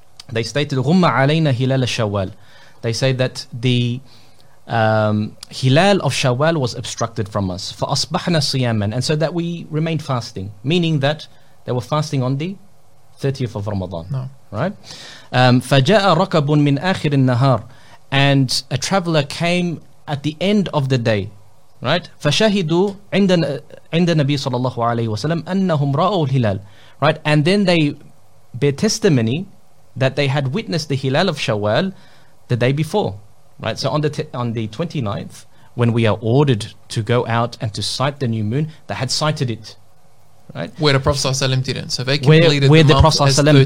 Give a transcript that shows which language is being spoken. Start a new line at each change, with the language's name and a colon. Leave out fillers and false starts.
English: They stated,
Arabic: "Ghumma alayna hilal al-shawwal."
English: They say that the hilal of Shawwal was obstructed from us.
Arabic: "Fa asbahna siyaman,"
English: and so that we remained fasting, meaning that they were fasting on the 30th of Ramadan. Right?
Arabic: "Faja'a rakabun min akhir al-nahar,"
English: and a traveler came at the end of the day. Right,
Arabic: فشهدوا عند النبي صلى الله عليه وسلم أنهم رأوا الهلال.
English: Right, and then they bear testimony that they had witnessed the hilal of Shawwal the day before. Right, so on the 29th, when we are ordered to go out and to sight the new moon, they had sighted it. Right, where the Prophet صلى الله عليه وسلم didn't. So they completed where the Prophet صلى الله عليه وسلم